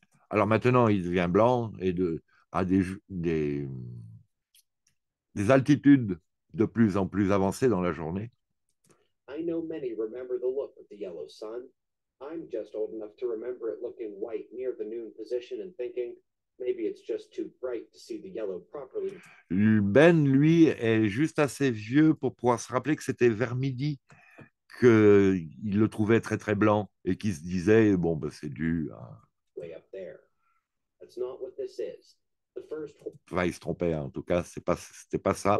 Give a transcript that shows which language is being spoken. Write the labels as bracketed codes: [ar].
[fr] Alors maintenant, il devient blanc et à des altitudes de plus en plus avancées dans la journée. [en] I know many remember the look of the yellow sun. I'm just old enough to remember it looking white near the noon position and thinking maybe it's just too bright to see the yellow properly. [fr] Ben, lui, est juste assez vieux pour pouvoir se rappeler que c'était vers midi qu'il le trouvait très très blanc et qu'il se disait bon, ben, c'est dû à... [en] Way up there. That's not what this is. The first... [fr] Enfin, il se trompait, hein. En tout cas, c'était pas ça.